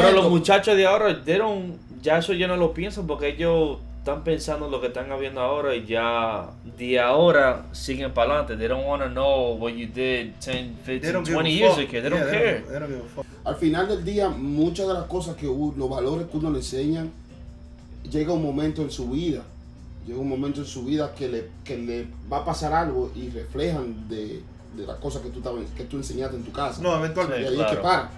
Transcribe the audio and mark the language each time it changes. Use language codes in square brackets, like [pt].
[es] Bueno, los muchachos de ahora, ya eso yo no lo pienso porque ellos están pensando lo que están habiendo ahora y ya de ahora siguen para adelante. [en] They don't want to know what you did 10, 15, 20 years ago. They don't care. [es] Al final del día, muchas de las cosas que los valores que uno le enseña, llega un momento en su vida. Llega un momento en su vida que le va a pasar algo y reflejan de las cosas que tú enseñaste en tu casa. No, eventualmente. Sí, claro. Es que paran.